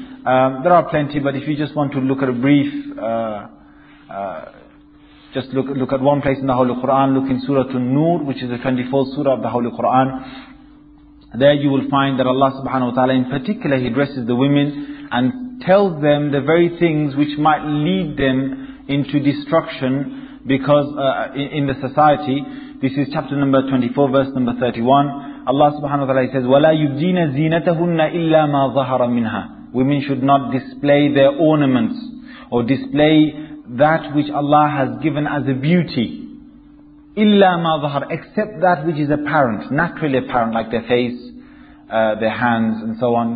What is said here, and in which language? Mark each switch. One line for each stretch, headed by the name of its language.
English: There are plenty, but if you just want to look at a brief, just look at one place in the Holy Quran, look in Surah An-Nur, which is the 24th Surah of the Holy Quran. There you will find that Allah subhanahu wa ta'ala in particular, He addresses the women and tells them the very things which might lead them into destruction because in the society. This is chapter number 24, verse number 31. Allah subhanahu wa ta'ala says,
Arabic: وَلَا يُبْدِينَ زِينَتَهُنَّ إِلَّا مَا ظَهَرَ مِنْهَا.
English: Women should not display their ornaments or display that which Allah has given as a beauty.
Arabic: إِلَّا مَا ظَهَرَ,
English: except that which is apparent, naturally apparent, like their face, their hands and so on.